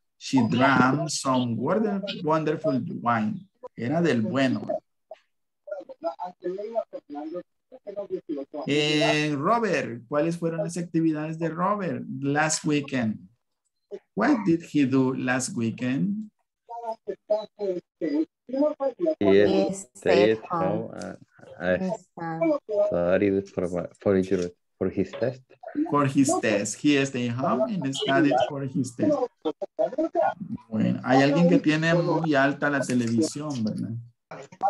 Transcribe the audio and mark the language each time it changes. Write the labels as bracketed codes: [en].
[en] She drank some wonderful wine. [es] Era del bueno. Robert, ¿cuáles fueron las actividades de Robert [en] last weekend? What did he do last weekend? He stayed home and studied for his test. For his test. He stayed home and studied for his test. [es] Bueno, hay alguien que tiene muy alta la televisión, ¿verdad?